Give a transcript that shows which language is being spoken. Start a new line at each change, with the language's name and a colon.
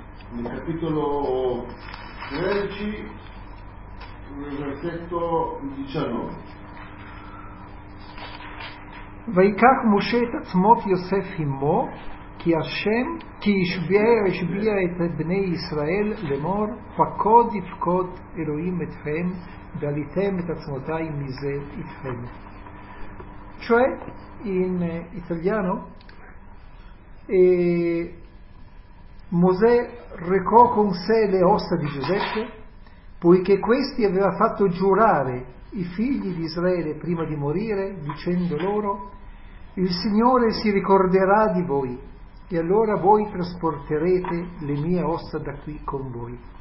Italian: Nel capitolo 13, nel versetto 19.
Hebrew: ויקח משה את עצמות יוסף עמו, כי השם, כי השביע את בני ישראל למור, פקוד יפקוד אלוהים אתכם, ועליתם את עצמותיי מזה אתכם.
Italian: שואל, in italiano, Mosè recò con sé le ossa di Giuseppe, poiché questi aveva fatto giurare i figli di Israele prima di morire, dicendo loro: il Signore si ricorderà di voi, e allora voi trasporterete le mie ossa da qui con voi.